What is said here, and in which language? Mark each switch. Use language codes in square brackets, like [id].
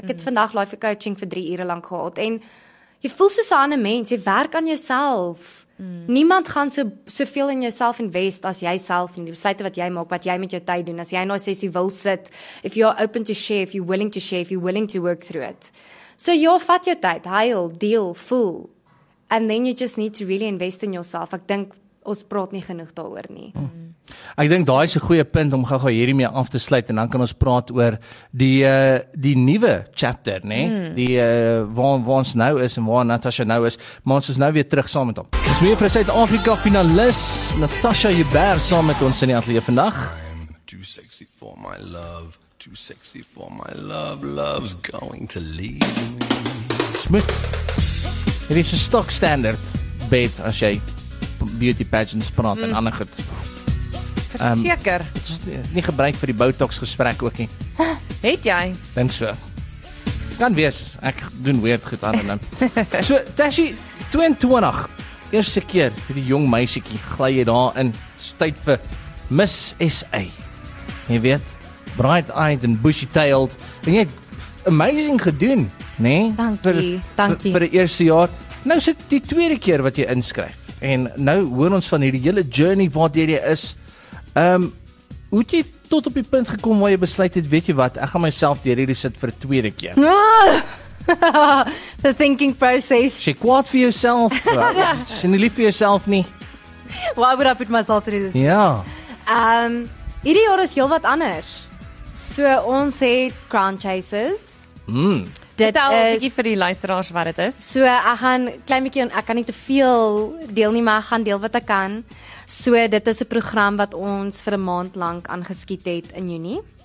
[af] Ek het vandag life coaching vir 3 ure lank gehad en jy voel soos 'n ander mens, jy werk aan jouself. Niemand gaan soveel in jouself invest as jy self nie. Die besluite wat jy maak, wat jy met jou tyd doen, as jy in 'n sessie wil sit, if you are open to share, if you're willing to share, if you're willing to work through it. So jy vat jou tyd, heil, deel, voel. [en] And then you just need to really invest in yourself. [af] Ek dink, ons praat nie genoeg daaroor nie. Ek dink daai is 'n goeie punt om gou-gou hiermee af te sluit en dan kan ons praat oor die nuwe chapter, né? Nee? Waar ons nou is en waar Natasha nou is, maar ons is nou weer terug saam met hom. Ons weer vir Suid-Afrika finalis Natasha Huber saam met ons in die ateljee vandag. [en] Too sexy for my love, too sexy for my love, love's going to leave me. [af] Dit is 'n stock standard bed as jy beauty pageants praat en ander goed. Verseker. Nie gebruik vir die Botox gesprek ook nie. Het jy? Dink so. Kan wees, ek doen weird goed aan en dan. So, Tashi, 22, eerste keer, die jong meisiekie, gly jy daar in, tyd vir Miss SA. Jy weet, bright-eyed en bushy-tailed, en jy het amazing gedoen, nee? Dankie. Vir die eerste jaar. Nou is dit die tweede keer wat jy inskryf, en nou hoor ons van hierdie hele journey wat jy is, hoe het jy tot op die punt gekom waar jy besluit het, weet jy wat, ek gaan myself deur hierdie sit vir 2de keer. [en] The thinking process. [af] Sy kwaad vir jouself. Sy nie lief vir jouself nie. [en] Why would I put myself through this? [af] Ja. Hierdie jaar is heel wat anders. So ons het Crown Chasers. Dit is 'n bietjie vir die luisteraars wat dit is. So ek gaan klein bietjie ek kan nie te veel deel nie, maar ek gaan deel wat ek kan. So, dit is 'n program wat ons vir 'n maand lank aangeskiet het in Junie.